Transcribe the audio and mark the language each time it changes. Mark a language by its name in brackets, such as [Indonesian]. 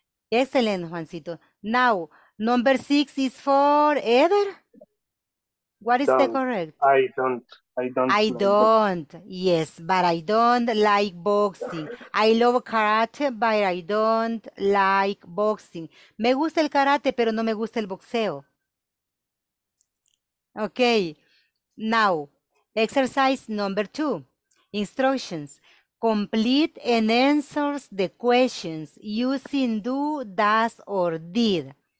[English] Excellent, Juancito. Now, number 6 is for Eder. What is the correct? I don't. Yes, but I don't like boxing. I love karate, but I don't like boxing. [Spanish] Me gusta el karate, pero no me gusta el boxeo. [English] Okay, now. Exercise number 2, instructions, complete and answers the questions using do, does, or did.